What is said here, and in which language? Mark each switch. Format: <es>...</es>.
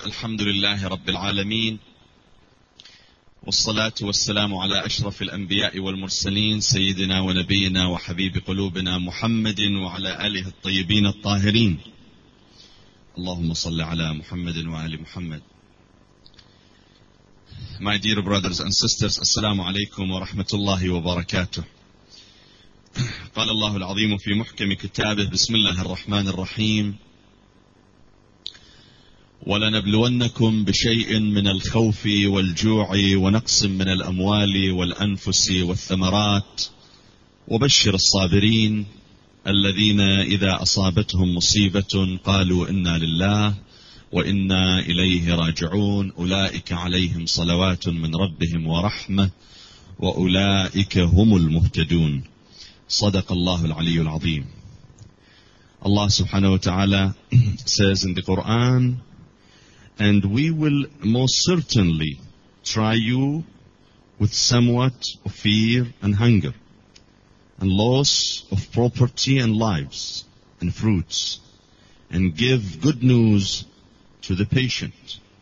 <ar>الحمد لله رب العالمين، والصلاة والسلام على أشرف الأنبياء والمرسلين سيدنا ونبينا وحبيب قلوبنا محمد وعلى آله الطيبين الطاهرين. اللهم صل على محمد وآل محمد.</ar> <en>My dear brothers and sisters,</en> <ar>السلام عليكم ورحمة الله وبركاته. قال الله العظيم في محكم كتابه، بسم الله الرحمن الرحيم، ولنبلونكم بشيء من الخوف والجوع ونقص من الأموال والأنفس والثمرات وبشر الصابرين الذين إذا أصابتهم مصيبة قالوا إنا لله وإنا إليه راجعون أولئك عليهم صلوات من ربهم ورحمة وأولئك هم المهتدون. صدق الله العلي العظيم. الله سبحانه وتعالى</ar> <en>says in the Quran, and we will most certainly try you with somewhat of fear and hunger and loss of property and lives and fruits, and give good news to the patient</en>